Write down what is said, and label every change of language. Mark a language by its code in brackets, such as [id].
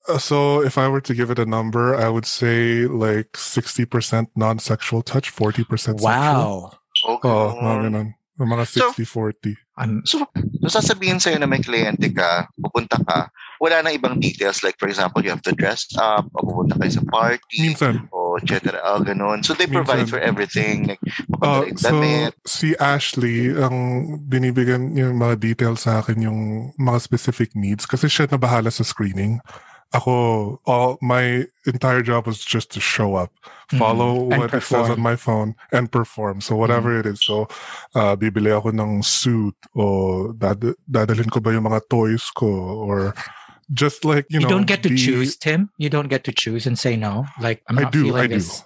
[en] so if I were to give it a number, I would say like 60% non-sexual touch, 40% sexual. Wow. Okay. Oh, man. [tl] Mga [en] 60-40. [tl] So sasabihin sa'yo na may kliyente ka, pupunta ka, wala nang ibang details. [en] Like, for example, you have to dress up, [tl] o pupunta kayo sa party. Minsan. O, et cetera, o ganun. [en] So, they provide for everything. Like, [tl] si Ashley, ang binibigyan yung mga details sa akin, yung mga specific needs. Kasi siya na bahala sa screening. [en] Ako, my entire job was just to show up, follow what it says on my phone, and perform. [tl] So whatever it is. So, bibili ako ng suit, o dadalhin ko ba yung mga toys ko, [en] or just like, you know. You don't get to choose, Tim? You don't get to choose and say no? Like, I'm not feeling this.